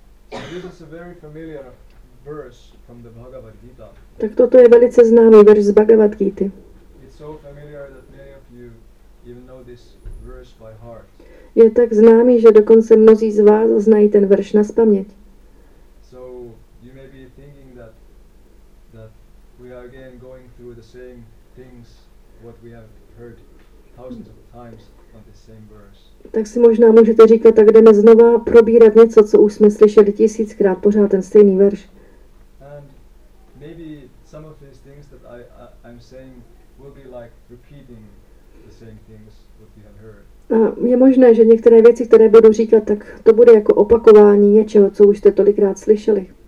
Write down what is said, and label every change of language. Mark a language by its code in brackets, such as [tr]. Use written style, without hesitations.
[en] This is a very familiar verse from the Bhagavad Gita. [cs] Tak toto je velice známý verš z Bhagavad Gita. [en] It's so familiar that many of you even know this verse by heart. [cs] Je tak známý, že dokonce mnozí z vás znají ten verš na spaměť. [en] So you may be thinking that we are again going through the same things what we have heard thousands of times on the same verse. [cs] Tak si možná můžete říkat, tak jdeme znova probírat něco, co už jsme slyšeli tisíckrát, pořád ten stejný verš. [en] And maybe some of these things that I'm saying will be like repeating the same things what we have heard. [cs] A je možné, že některé věci, které budu říkat, tak to bude jako opakování něčeho, co už jste tolikrát slyšeli.